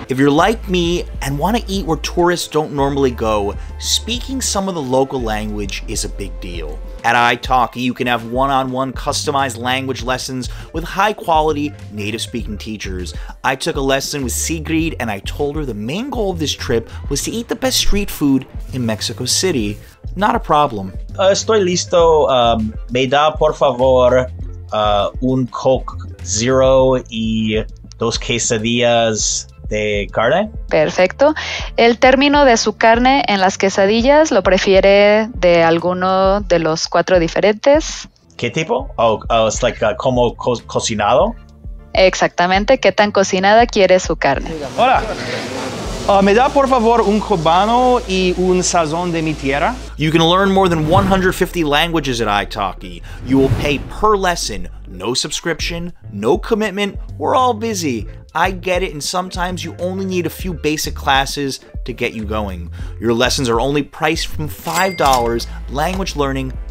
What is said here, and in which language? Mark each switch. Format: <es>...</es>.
<en>If you're like me and want to eat where tourists don't normally go, speaking some of the local language is a big deal. At italki, you can have one-on-one customized language lessons with high-quality native-speaking teachers. I took a lesson with Sigrid and I told her the main goal of this trip was to eat the best street food in Mexico City. Not a problem.</en> <es>Estoy listo. Me da, por favor, un Coke Zero y dos quesadillas de carne. Perfecto. El término de su carne en las quesadillas lo prefiere de alguno de los cuatro diferentes. ¿Qué tipo?</es> <en>It's like</en> <es>como cocinado. Exactamente. ¿Qué tan cocinada quiere su carne? Hola. Me da por favor un cubano y un sazón de mi tierra.</es> <en>You can learn more than 150 languages at italki. You will pay per lesson. No subscription, no commitment, we're all busy. I get it, and sometimes you only need a few basic classes to get you going. Your lessons are only priced from $5. Language learning</en>